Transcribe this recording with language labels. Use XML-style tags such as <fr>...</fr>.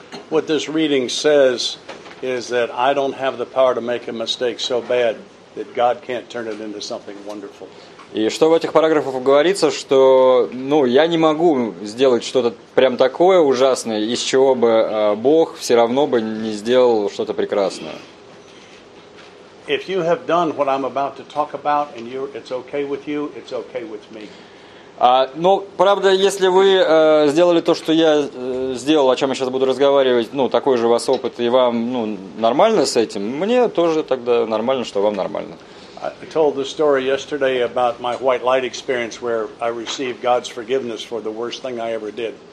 <en>What this reading says is that I don't have the power to make a mistake so bad that God can't turn it into something wonderful.</en> <ru>И что в этих параграфах говорится, что я не могу сделать что-то прям такое ужасное, из чего бы Бог все равно бы не сделал что-то прекрасное.</ru> <en>If you have done what I'm about to talk about and it's okay with you, it's okay with me.</en> <ru>Правда, если вы сделали то, что я сделал, о чем я сейчас буду разговаривать, такой же у вас опыт, и вам нормально с этим, мне тоже тогда нормально, что вам нормально.</ru> <en>I told the story yesterday about my white light experience where I received God's forgiveness for the worst thing I ever did.</en>